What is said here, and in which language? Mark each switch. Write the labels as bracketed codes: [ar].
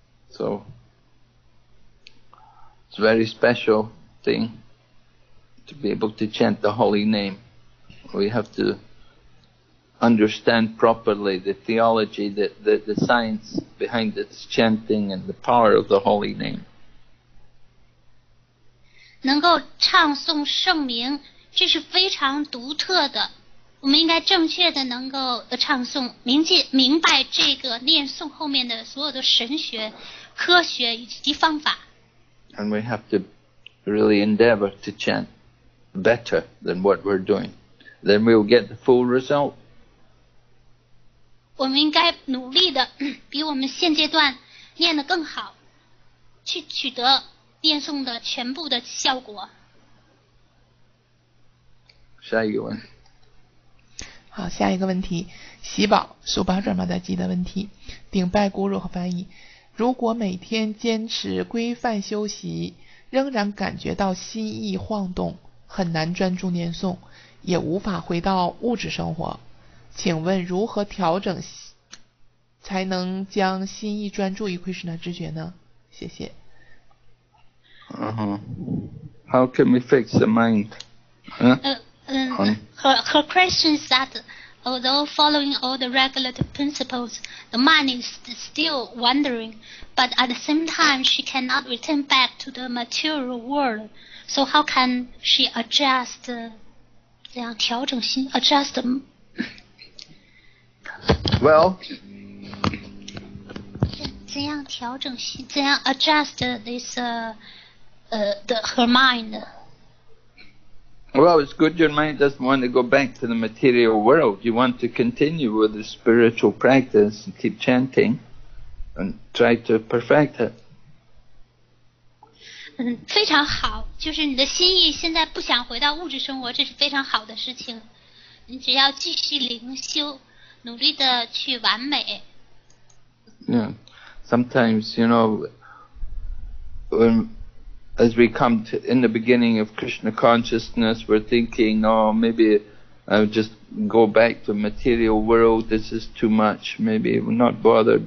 [en] So, it's a very special thing to be able to chant the holy name. We have toUnderstand properly the theology, the science behind its chanting and the power of the holy name. [zh] 能够唱诵圣名，这是非常独特的。我们应该正确的能够唱诵，明白这个念诵后面的所有的神学、科学以及方法。 [en] And we have to really endeavor to chant better than what we're doing. Then we will get the full result. [zh] 我们应该努力的比我们现阶段念得更好，去取得念诵的全部的效果。下一个问题。好，下一个问题，喜宝苏巴转马达基的问题，顶拜咕噜和翻译，如果每天坚持规范修习，仍然感觉到心意晃动，很难专注念诵，也无法回到物质生活，请问如何调整才能将心意专注于 Krishna 知觉呢？谢谢。 [en] Uh-huh. How can we fix the mind? Her question is that although following all the regulative principles, the mind is still wandering, but at the same time, she cannot return back to the material world. So how can she adjust, [zh] 调整心, [en] adjust the... Well... [zh] 怎样调整心, 怎样 [en] adjust this, her mind? Well, it's good your mind doesn't want to go back to the material world. You want to continue with the spiritual practice and keep chanting and try to perfect it. [zh] 非常好, 就是你的心意现在不想回到物质生活, 这是非常好的事情, 你只要继续灵修, 努力地去完美。 [en] Yeah, sometimes, you know, when as we come to in the beginning of Krishna consciousness, we're thinking, oh, maybe I'll just go back to material world, this is too much, maybe I'm not bothered.